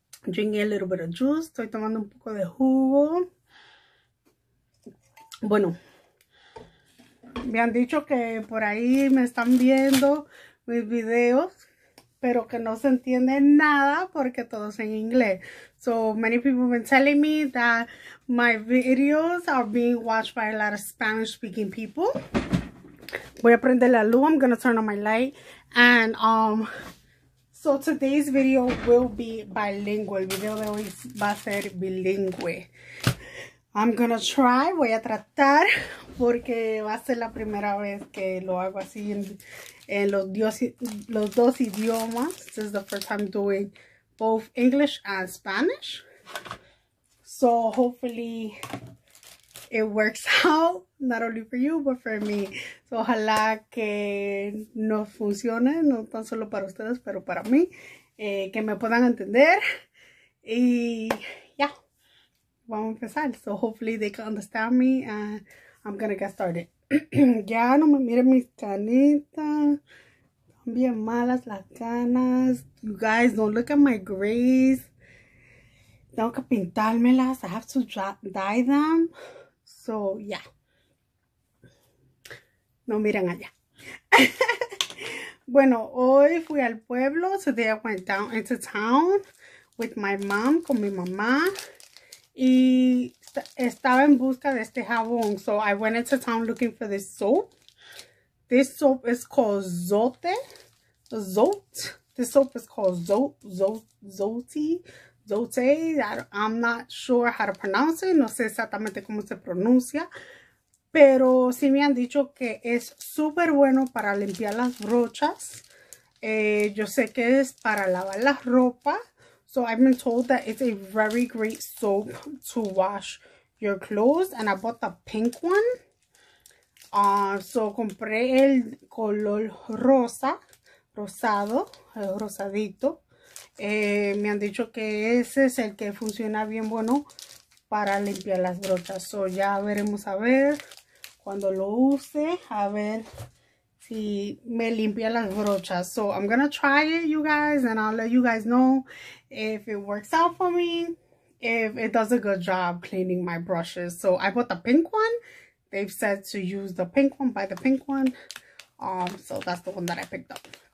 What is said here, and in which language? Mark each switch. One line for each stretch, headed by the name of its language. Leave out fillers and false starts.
English: Drinking a little bit of juice.
Spanish: Estoy tomando un poco de jugo. Bueno, me han dicho que por ahí me están viendo mis videos, pero que no se entiende nada porque todo es en inglés.
English: So many people have been telling me that my videos are being watched by a lot of Spanish-speaking people.
Spanish: Voy a prender la luz.
English: I'm gonna turn on my light. And so today's video will be bilingual.
Spanish: El video de hoy va a ser bilingüe.
English: I'm gonna try.
Spanish: Voy a tratar porque va a ser la primera vez que lo hago así en los dos idiomas.
English: This is the first time doing both English and Spanish. So hopefully it works out, not only for you, but for me.
Spanish: So ojalá que nos funcione, no tan solo para ustedes, pero para mí, que me puedan entender. Y ya, yeah, vamos a empezar.
English: So hopefully they can understand me and I'm gonna get started.
Spanish: Ya no me miren mis canitas. Bien malas las canas.
English: You guys, don't look at my grays.
Spanish: Tengo que pintármelas.
English: I have to dye them. So, ya. Yeah.
Spanish: No miren allá. Bueno, hoy fui al pueblo.
English: Today I went down into town with my mom,
Spanish: con mi mamá. Y estaba en busca de este jabón.
English: So I went into town looking for this soap. This soap is called Zote. Zote. This soap is called Zote. Zote. I'm not sure how to pronounce it.
Spanish: No sé exactamente cómo se pronuncia. Pero sí me han dicho que es súper bueno para limpiar las brochas. Yo sé que es para lavar la ropa.
English: So I've been told that it's a very great soap to wash your clothes, and I bought the pink one.
Spanish: So compré el color rosa, rosado, el rosadito. Me han dicho que ese es el que funciona bien bueno para limpiar las brochas. So ya veremos a ver cuando lo use, a ver si me limpia las brochas.
English: So I'm gonna try it, you guys, and I'll let you guys know if it works out for me, if it does a good job cleaning my brushes. So I bought the pink one. They've said to use the pink one, buy the pink one. So that's the one that I picked up.